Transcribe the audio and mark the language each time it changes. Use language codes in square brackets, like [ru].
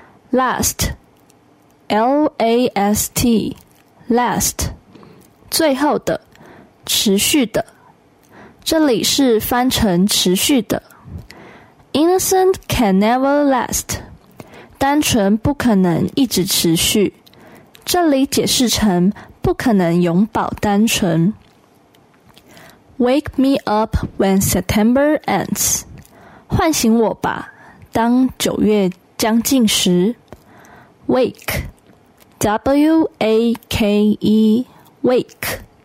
[en] Last， L-A-S-T， Last， [zh] 最后的，持续的，这里是翻成持续的。 [en] Innocent can never last， [zh] 单纯不可能一直持续，这里解释成不可能永保单纯。 [en] Wake me up when September ends， [zh] 唤醒我吧，当九月将近时。 [en] Wake， W-A-K-E， Wake。